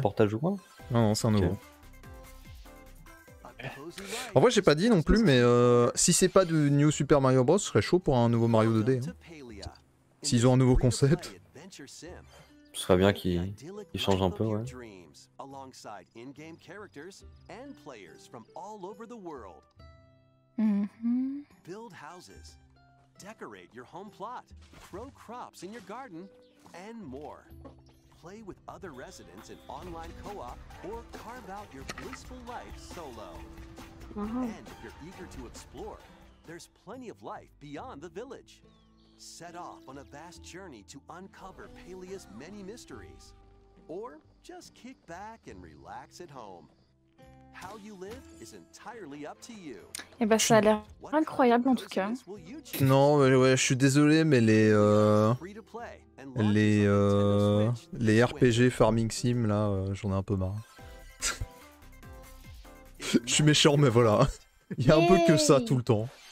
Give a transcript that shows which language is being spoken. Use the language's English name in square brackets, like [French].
[French] portage ou quoi ? Non, non, c'est un nouveau. Okay. En vrai, j'ai pas dit non plus, mais si c'est pas du New Super Mario Bros, ce serait chaud pour un nouveau Mario 2D. Hein. S'ils ont un nouveau concept. Ce serait bien qu'ils changent un peu, ouais. [English] Alongside in-game characters and players from all over the world. Build houses, decorate your home plot, grow crops in your garden, and more. Play with other residents in online co-op or carve out your blissful life solo. And if you're eager to explore, there's plenty of life beyond the village. Set off on a vast journey to uncover Palea's many mysteries. or just kick back and relax at home. How you live is entirely up to you. [French] Et bah ça a l'air incroyable en tout cas. Non, mais ouais, je suis désolé, mais les RPG Farming Sim là, j'en ai un peu marre. Je suis méchant, mais voilà. Il y a un peu que ça tout le temps.